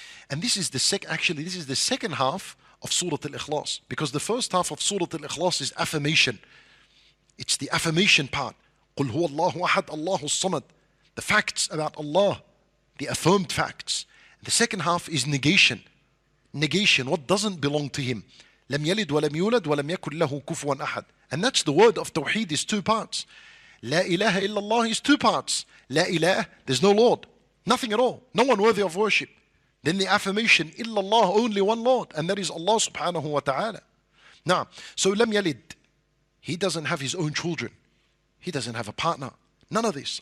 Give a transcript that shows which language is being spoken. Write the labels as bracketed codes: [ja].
[en] And this is the second half of Surah Al-Ikhlas. Because the first half of Surah Al-Ikhlas is affirmation. It's the affirmation part. [ar] قُلْ هُوَ اللَّهُ أَحَدْ اللَّهُ الصَّمَدْ. [en] The facts about Allah. The affirmed facts. The second half is negation. Negation, what doesn't belong to him. [ar] لم يلد ولم يولد ولم يكن له كفوا أحد. [en] And that's the word of Tawheed is two parts. La ilaha illallah is two parts. La ilaha, there's no Lord. Nothing at all. No one worthy of worship. Then the affirmation, illallah, only one Lord. And that is Allah subhanahu wa ta'ala. Now, so lam yalid. He doesn't have his own children. He doesn't have a partner. None of this.